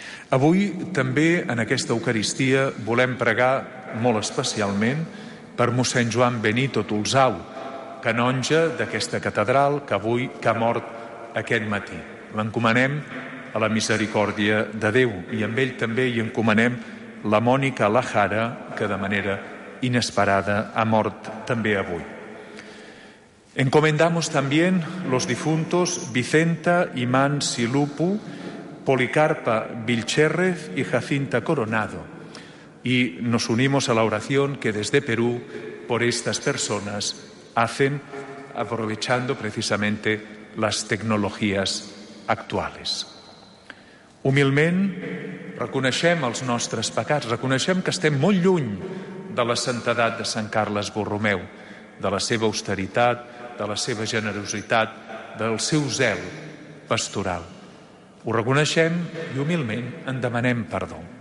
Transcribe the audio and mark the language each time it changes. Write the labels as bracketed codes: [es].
[ca] Avui també en aquesta Eucaristia volem pregar molt especialment per mossèn Joan Benito Tolzau, canonge d'aquesta catedral que avui que ha mort aquest matí. L'encomanem a la misericòrdia de Déu i amb ell també hi encomanem la Mònica Lajara, que de manera inesperada ha mort també avui. [es] Encomendamos también los difuntos Vicenta Imán Silupu, Policarpa Vilchérrez y Jacinta Coronado. Y nos unimos a la oración que desde Perú por estas personas hacen aprovechando precisamente las tecnologías actuales. [ca] Humilment reconeixem els nostres pecats, reconeixem que estem molt lluny de la santedat de Sant Carles Borromeu, de la seva austeritat, de la seva generositat, del seu zel pastoral. Ho reconeixem i humilment en demanem perdó.